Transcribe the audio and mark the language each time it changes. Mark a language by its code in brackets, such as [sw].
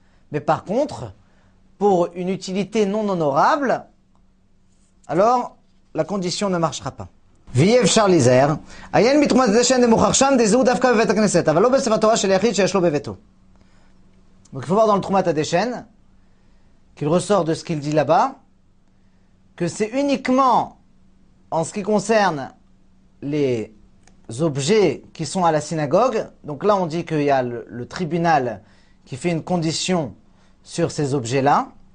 [fr] Mais par contre, pour une utilité non honorable, alors la condition ne marchera pas. [he] ויהיה אפשר להיזהר, עיין מתרומת דשן למוכר שם, דזהו דווקא בבית הכנסת, אבל לא בספר תורה של יחיד שיש לו בביתו. וכפי שאמרנו על תרומת הדשן, [fr] qu'il ressort de ce qu'il dit là-bas, que c'est uniquement en ce qui concerne les objets qui sont à la synagogue, donc là on dit qu'il y a le tribunal qui fait une condition sur ces objets-là,